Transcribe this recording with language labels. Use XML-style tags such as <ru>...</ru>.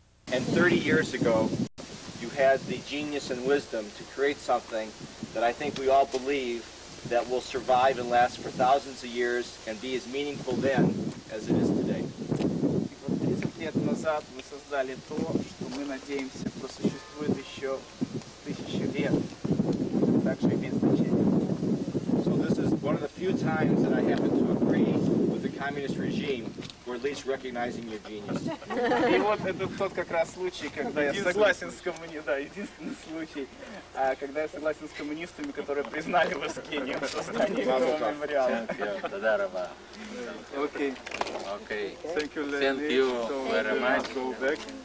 <en>And 30 years ago, you had the genius and wisdom to create something that I think we all believe that will survive and last for thousands of years and be as meaningful then as it is today.</en> <ru>30 лет назад мы создали то, что мы надеемся просуществует еще тысячи лет. Также имеет значение.</ru> <en>So this is one of the few times that I happen to agree with the communist regime. Or at least recognizing your genius.</en> <ru>И вот это тот как раз случай, когда я согласен с коммунистами, да, единственный случай, когда я согласен с коммунистами, которые признали вас гением, создание этого мемориала. Тадарова.</ru> <en>Окей. Окей. Thank you, Lenny. Thank you very much.</en>